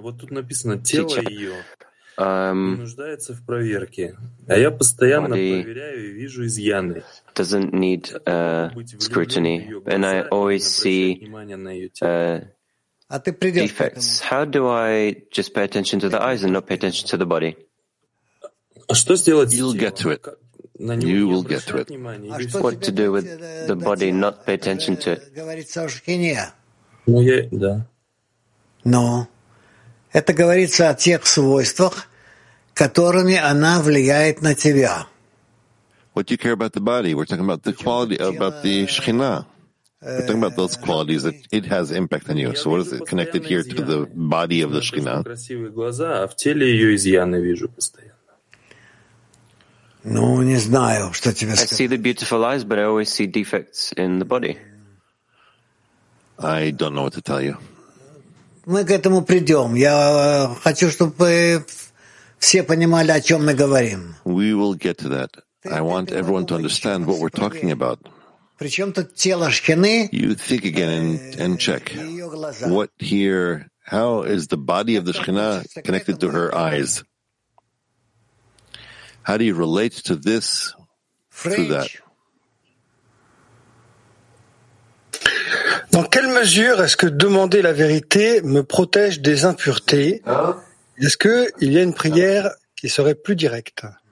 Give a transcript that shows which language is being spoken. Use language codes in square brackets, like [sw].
[ru] Вот тут написано тело Teacher. Ее нуждается в проверке, а я постоянно проверяю и вижу изъяны. [en] Doesn't need scrutiny, and I always see defects. How do I just pay attention to the eyes and not pay attention to the body? [ru] А что сделать? [en] You'll get to it. You will get to it. What to do with the body? Not pay attention to it. [ru] Ну я да. Но это говорится о тех свойствах, которыми она влияет на тебя. [en] What do you care about the body? We're talking about the quality, about the Shechina. We're talking about those qualities that it has impact on you. So what is it connected here to the body of the Shechina? [ru] Красивые глаза, а в теле ее изъяны вижу постоянно. Ну, не знаю, что тебе сказать. [en] I see the beautiful eyes, but I always see defects in the body. I don't know what to tell you. [ru] Мы к этому придем. Я хочу, чтобы все понимали, о чем мы говорим. [en] We will get to that. I want everyone to understand what we're talking about. [ru] Причем тут тело Шхины? [en] You think again and check. What here? How is the body of the Shekhinah connected to her eyes? How do you relate to this to that? [fr] Dans quelle mesure est-ce que demander la vérité me protège des impuretés? Est-ce qu'il y a une prière qui serait plus directe?